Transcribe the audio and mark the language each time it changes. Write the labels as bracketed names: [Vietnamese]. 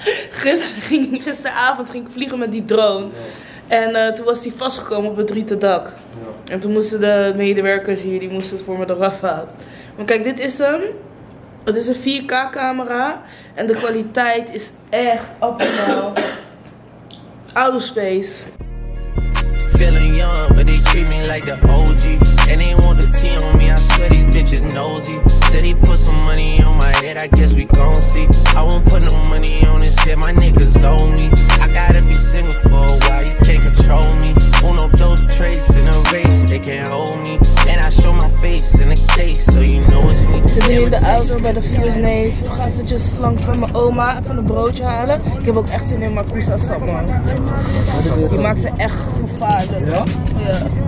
[Dutch] Gisteravond ging ik vliegen met die drone. En toen was die vastgekomen op het rieten dak. En toen moesten de medewerkers hier, die moesten het voor me eraf halen. Maar kijk, dit is hem. Het is een 4K camera en de kwaliteit is echt optimaal. [English] Outer space. Feeling young, but they treat me like the OG. And they want the tea on me, I swear these bitches nosy. Said he put some money on my head, I guess we gon' see. I won't put no money on this shit, my niggas owe me. I gotta be single for a while, you can't control me. [Spanish] Uno dos tres [English] in a race, they can't hold me. And I show my face in a case, so you know it's me. [Dutch] Ze zijn in de auto bij de vier's neef. Ik ga eventjes langs van mijn oma even een broodje halen. Ik heb ook echt zin in Marcusa sap, man. Die maakt ze echt gevaarlijk. Ja? Ja.